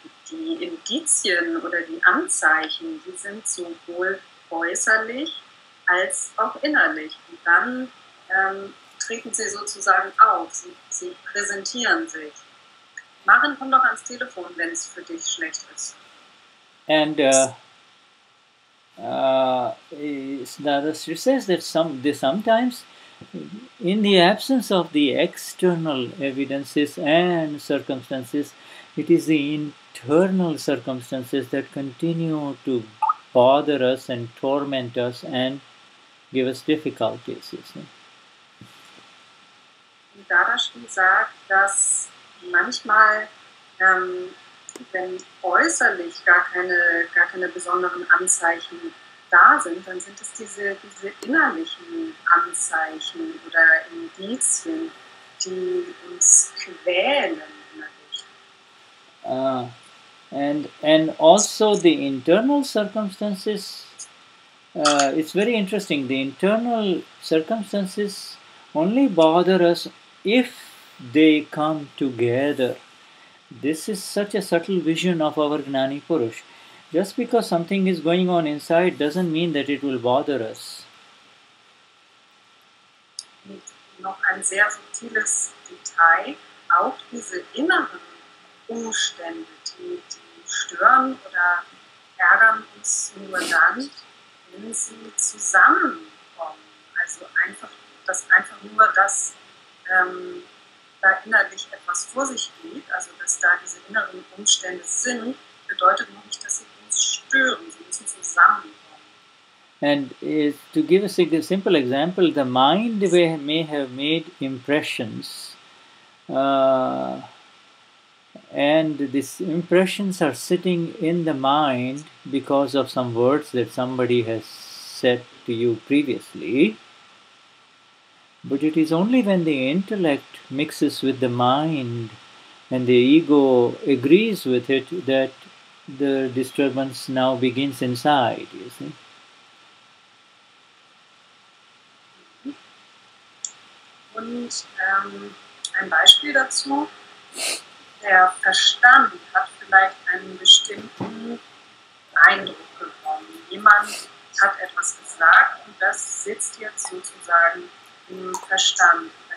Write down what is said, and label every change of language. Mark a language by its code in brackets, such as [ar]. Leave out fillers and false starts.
[de] Die Indizien oder die Anzeichen, die sind sowohl äußerlich als auch innerlich. Und dann treten sie sozusagen auf, sie präsentieren sich. Maren, komm doch ans Telefon, wenn es für dich schlecht ist. [en] And Dadashri says that sometimes in the absence of the external evidences and circumstances, it is the internal circumstances that continue to bother us and torment us and give us difficulties, you see. [de] Dadashri sagt, dass manchmal, wenn äußerlich gar keine besonderen Anzeichen da sind, dann sind es diese innerlichen Anzeichen oder Indizien, die uns quälen. [en] And also the internal circumstances, it's very interesting. The internal circumstances only bother us if they come together. This is such a subtle vision of our Gnani Purush. Just because something is going on inside doesn't mean that it will bother us. [de] Noch ein sehr subtiles Detail, auch diese inneren Umstände, die stören oder ärgern uns nur dann, wenn sie zusammenkommen. Also einfach, dass einfach nur, dass da innerlich etwas vor sich geht, also dass da diese inneren Umstände sind, bedeutet noch nicht, dass sie uns stören. Sie müssen zusammenkommen. [en] And to give a simple example, the mind may have made impressions. And these impressions are sitting in the mind because of some words that somebody has said to you previously. But it is only when the intellect mixes with the mind and the ego agrees with it that the disturbance now begins inside, you see. [de] Ein Beispiel dazu, der Verstand hat vielleicht einen bestimmten Eindruck bekommen. Jemand hat etwas gesagt und das sitzt jetzt sozusagen im Verstand.